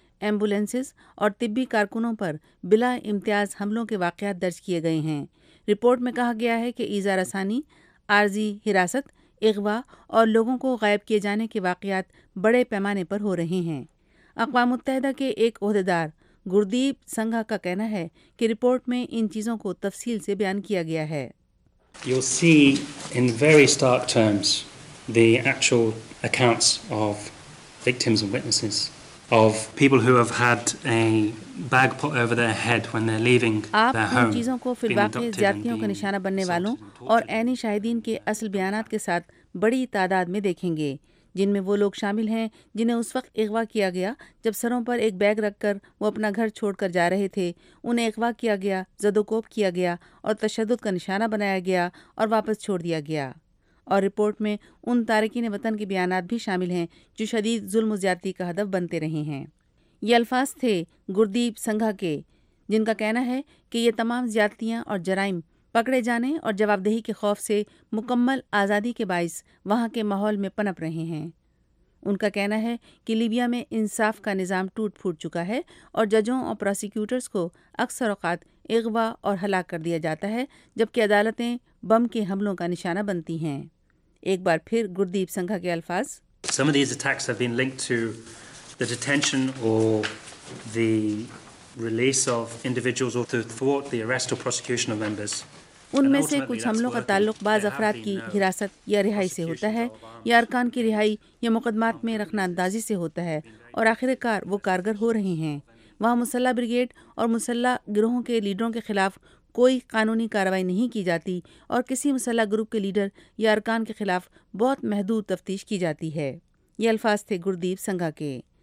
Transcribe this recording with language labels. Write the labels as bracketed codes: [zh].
[ur] Ambulances اور طبی کارکنوں پر بلا امتیاز حملوں کے واقعات درج کیے گئے ہیں۔ رپورٹ میں کہا گیا ہے کہ ایزا رسانی، عارضی حراست، اغوا اور لوگوں کو غائب کیے جانے کے واقعات بڑے پیمانے پر ہو رہے ہیں۔ اقوام متحدہ کے ایک عہدیدار گردیپ سنگھا کا کہنا ہے کہ رپورٹ میں ان چیزوں کو تفصیل سے بیان کیا گیا ہے۔ [en] You'll see in very stark terms the actual accounts of victims and witnesses of people who have had a bag put over their head when they're leaving their home. [ur] آپ ان چیزوں کو فی الواقع زیادتیوں کا نشانہ بننے والوں اور عینی شاہدین کے اصل بیانات کے ساتھ بڑی تعداد میں دیکھیں گے، جن میں وہ لوگ شامل ہیں جنہیں اس وقت اغوا کیا گیا جب سروں پر ایک بیگ رکھ کر وہ اپنا گھر چھوڑ کر جا رہے تھے۔ انہیں اغوا کیا گیا، زدوکوب کیا گیا اور تشدد کا نشانہ بنایا گیا اور واپس چھوڑ دیا گیا۔ اور رپورٹ میں ان تارکین وطن کے بیانات بھی شامل ہیں جو شدید ظلم و زیادتی کا ہدف بنتے رہے ہیں۔ یہ الفاظ تھے گردیپ سنگھا کے، جن کا کہنا ہے کہ یہ تمام زیادتیاں اور جرائم پکڑے جانے اور جواب دہی کے خوف سے مکمل آزادی کے باعث وہاں کے ماحول میں پنپ رہے ہیں۔ ان کا کہنا ہے کہ لیبیا میں انصاف کا نظام ٹوٹ پھوٹ چکا ہے اور ججوں اور پروسیکیوٹرز کو اکثر اوقات اغوا اور ہلاک کر دیا جاتا ہے، جبکہ عدالتیں بم کے حملوں کا نشانہ بنتی ہیں۔ ایک بار پھر گردیپ سنگھا کے الفاظ۔ [en] Some of these attacks have been linked to the detention or the release of individuals or to thwart the arrest or prosecution of members. [ur] ان میں سے کچھ حملوں کا تعلق بعض افراد کی حراست یا رہائی سے ہوتا ہے، یا ارکان کی رہائی یا مقدمات میں رکھنا اندازی سے ہوتا ہے، اور آخر کار وہ کارگر ہو رہے ہیں۔ وہاں مسلح بریگیڈ اور مسلح گروہوں کے لیڈروں کے خلاف کوئی قانونی کارروائی نہیں کی جاتی، اور کسی مسلح گروپ کے لیڈر یا ارکان کے خلاف بہت محدود تفتیش کی جاتی ہے۔ یہ الفاظ تھے گردیپ سنگھا کے۔